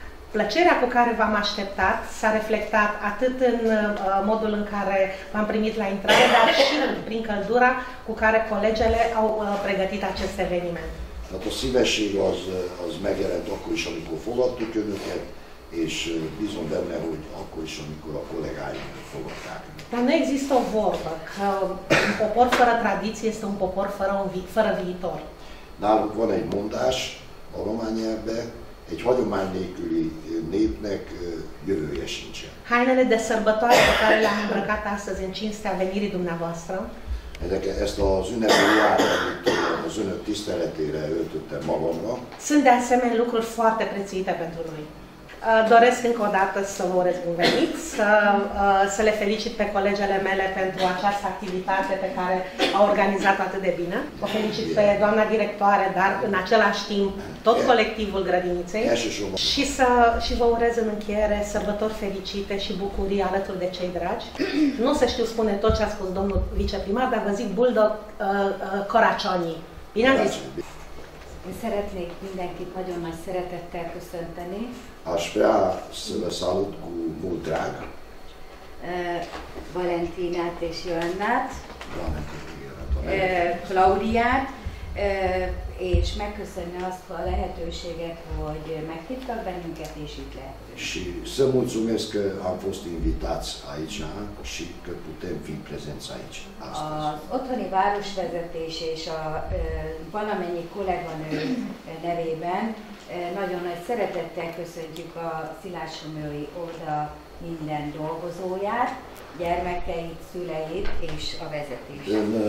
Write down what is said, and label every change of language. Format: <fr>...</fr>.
<ro>Plăcerea cu care v-am așteptat s-a reflectat atât în modul în care v-am primit la intrare, dar și prin căldura cu care colegele au pregătit acest eveniment.</ro> <hu>Tehát a szívesség az megjelent akkor is, amikor fogadtuk önöket, és bízom benne, hogy akkor is, amikor a kollégáim fogadták.</hu> <ro>De nem există o vorbă, că un popor fără tradiție este un popor fără viitor.</ro> <hu>Náluk van egy mondás a román nyelvben, egy hagyomány nélküli népnek jövője sincsen.</hu> <ro>Hainele de sărbătoare pe care le-am îmbrăcat astăzi în cinstea venirii dumneavoastră.</ro> <hu>Ezt az ünnepi járványt az önök tiszteletére öltöttem magamra.</hu> <ro>Sunt de asemenea lucruri foarte prețuite pentru noi. Doresc încă o dată să vă urez bun venit, să le felicit pe colegele mele pentru această activitate pe care au organizat atât de bine. O felicit pe doamna directoare, dar în același timp tot colectivul grădiniței. Și vă urez în încheiere sărbători fericite și bucurii alături de cei dragi. Nu se știu spune tot ce a spus domnul viceprimar, dar vă zic</ro> <hu>buldo coracionii.</hu> <ro>Bine ați zis!</ro> <hu>Én szeretnék mindenkit nagyon nagy szeretettel köszönteni.</hu> <ro>Aș vrea să vă salut cu mult drag.</ro> <hu>Valentinát és Joannát. Valentinát. Klaudiát. És megköszönni azt a lehetőséget, hogy meghívtak bennünket, és itt lehetünk.</hu> <ro>Și să mulțumesc că am fost invitați aici, și că putem fi prezenți aici astăzi.</ro> <hu>Az otthoni városvezetés és a valamennyi kolléganő nevében nagyon nagy szeretettel köszöntjük a szilássomlyói oda minden dolgozóját, gyermekeit, szüleit és a vezetést.</hu>